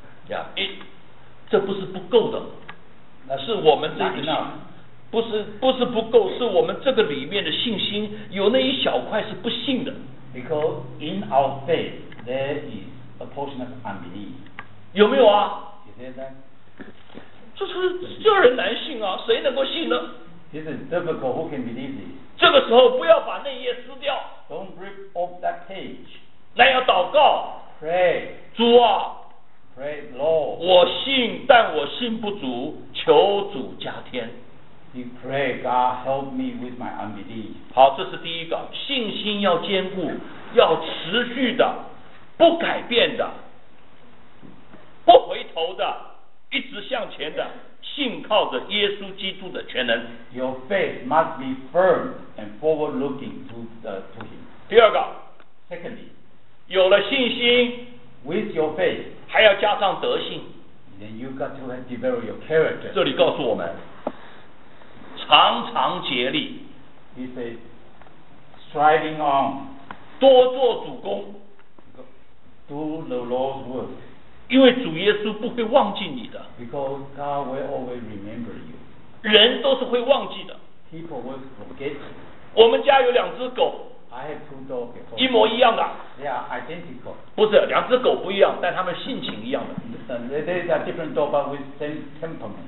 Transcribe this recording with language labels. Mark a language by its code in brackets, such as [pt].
[zh] Yeah, it, 这不是不够的，是我们这个信，不是不够，是我们这个里面的信心有那一小块是不信的。 [en] Because in our faith there is a portion of unbelief. [zh] 有没有啊？ [en] You say that? [zh] 这是叫人难信啊，谁能够信呢？ [en] This is difficult. Who can believe this? [zh] 这个时候不要把那页撕掉。 [en] Don't rip off that page. [zh] 来要祷告。 [en] Pray. [zh] 主啊。 [en] Pray, Lord. [zh] 我信，但我信不足，求主加添。 [en] You pray, God help me with my unbelief. [zh] 好，这是第一个，信心要坚固，要持续的，不改变的，不回头的。一直向前的，信靠着耶稣基督的全能。 [en] Your faith must be firm and forward-looking to Him. [zh] 第二个 [en] ，Secondly， [zh] 有了信心 [en] ，with your faith， [zh] 还要加上德性。 [en] Then you got to develop your character. [zh] 这里告诉我们，常常竭力。 [en] He says, striving on， [zh] 多做主工 [en] ，do the Lord's work。 [zh] 因为主耶稣不会忘记你的。 [en] Because God will always remember you. [zh] 人都是会忘记的。 [en] People will forget. [zh] 我们家有两只狗。 [en] I have two dogs. Before. [zh] 一模一样的。 [en] They are identical. [zh] 不是，两只狗不一样，但它们性情一样的。 [en] They are different dogs, but with same temperament.